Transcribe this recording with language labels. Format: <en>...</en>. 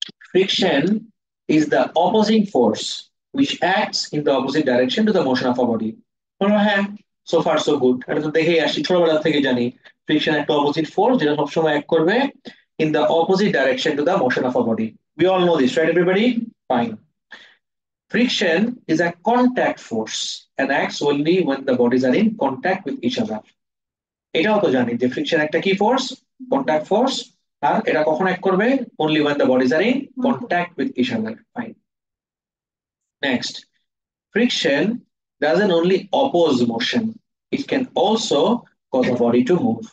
<en>Friction is the opposing force which acts in the opposite direction to the motion of a body.</en> <bn>হ্যাঁ,</bn> <en>So far so good.</en> <bn>এটা তো দেখেই আসছি ছোটবেলা থেকে জানি, ফ্রিকশন একটা অপোজিট ফোর্স যেটা সবসময় অ্যাক্ট করবে</bn> <en>In the opposite direction to the motion of a body. We all know this, right everybody? Fine. Friction is a contact force and acts only when the bodies are in contact with each other.</en> <bn>এটাও তো জানি যে friction একটা কি force, contact force, আর এটা কখন act করবে?</bn> <en>Only when the bodies are in contact with each other. Fine, next, friction doesn't only oppose motion, it can also cause the body to move.</en>